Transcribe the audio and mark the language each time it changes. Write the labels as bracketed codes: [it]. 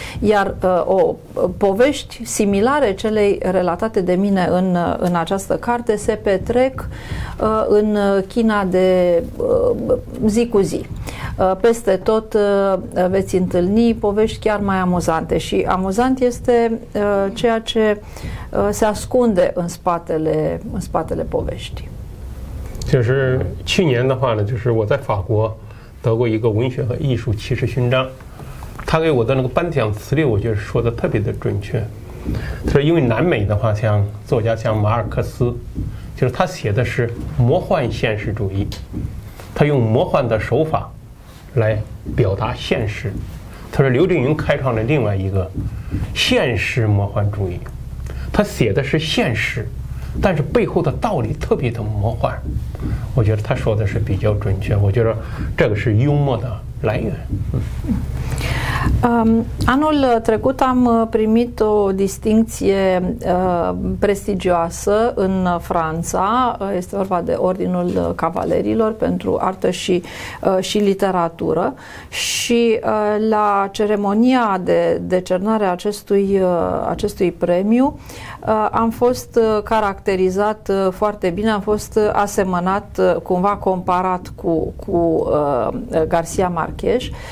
[ro] Iar o povești similare celei relatate de mine în această carte se petrec în China de zi cu zi. Peste tot veți întâlni povești chiar mai amuzante și amuzant este ceea ce se ascunde în spatele poveștii. [zh] 就是去年的话呢，就是我在法国得过一个文学和艺术骑士勋章，他给我的那个颁奖词里，我觉得说的特别的准确。他说，因为南美的话，像作家像马尔克斯，就是他写的是魔幻现实主义，他用魔幻的手法来表达现实。他说，刘震云开创了另外一个现实魔幻主义，他写的是现实。但是背后的道理特别的魔幻，我觉得他说的是比较准确，我觉得这个是幽默的来源。 [ro] Anul trecut am primit o distincție prestigioasă în Franța, este vorba de Ordinul Cavalerilor pentru artă și literatură și la ceremonia de decernare a acestui premiu am fost caracterizat foarte bine, am fost asemănat, cumva comparat cu Garcia Marquez.